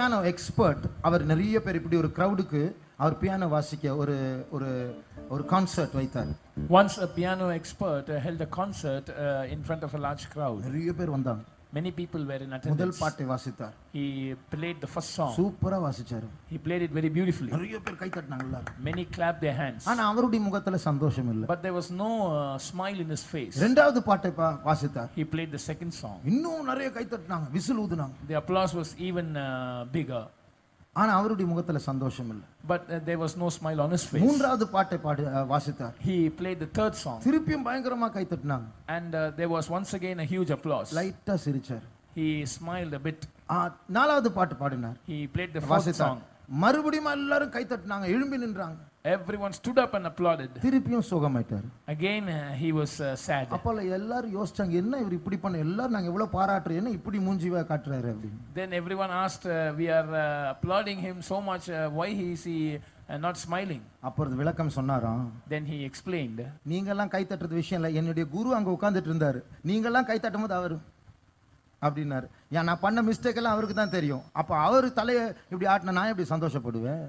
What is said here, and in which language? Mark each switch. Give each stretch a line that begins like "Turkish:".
Tamil: Expert அவர் நிறைய பேர் இப்படி ஒரு கிரவுடுக்கு அவர் பியானோ வாசிக்க ஒரு ஒரு ஒரு கான்சர்ட் வைத்தார்.
English: Once a piano expert held a concert in front of a large crowd.
Tamil: நிறைய பேர் வந்தாங்க.
English: Many people were in attendance.
Tamil: முதல் பாட்டை வாசித்தார்.
English: He played the first song.
Tamil: சூப்பரா வாசிச்சார்.
English: He played it very beautifully.
Tamil: நிறைய பேர் கை தட்டினாங்க.
English: Many clapped their hands.
Tamil: ஆனா அவருடைய முகத்துல சந்தோஷம் இல்ல.
English: But there was no smile in his face.
Tamil: இரண்டாவது பாட்டை வாசித்தார்.
English: He played the second song.
Tamil: இன்னும் நிறைய கை தட்டினாங்க. Whistle ஊதுனாங்க.
English: The applause was even bigger.
Tamil: ஆனா அவருடைய முகத்துல சந்தோஷம் இல்ல.
English: But there was no smile on his face.
Tamil: மூன்றாவது பாட்டை பாடி வாசித்தார்.
English: He played the third song.
Tamil: திருப்பியும் பயங்கரமா கை தட்டினாங்க.
English: And there was once again a huge applause.
Tamil: லைட்டா சிரிச்சார்.
English: He smiled a bit.
Tamil: நாலாவது பாட்டு பாடினார்.
English: He played the fourth song.
Tamil: மறுபடியும் எல்லாரும் கை தட்டினாங்க. எழும்பி நின்றாங்க.
English: Everyone stood up and applauded.
Tamil: திருப்பியும் சோகமாயிட்டார்.
English: Again he was sad.
Tamil: அப்பள எல்லாரும் யோசிச்சாங்க என்ன இவர் இப்படி பண்ண எல்லாரும் நாங்க எவ்வளவு பாராட்டுறோம் என்ன இப்படி மூஞ்சிவா காட்டுறாரு அப்படி.
English: Then everyone asked we are applauding him so much why he is he not smiling.
Tamil: அப்பறம் விளக்கம் சொன்னாராம்.
English: Then he explained.
Tamil: நீங்க எல்லாம் கை தட்டிறது விஷயம் இல்ல என்னுடைய குரு அங்க உட்கார்ந்துட்டு இருந்தாரு. நீங்க எல்லாம் கை தட்டும் போது அவர் அப்படின்னாரு. ஏன் நான் பண்ண மிஸ்டேக் எல்லாம் அவருக்கு தான் தெரியும். அப்ப அவர் தலையை இப்படி ஆட்டினா நான் எப்படி சந்தோஷப்படுவேன்.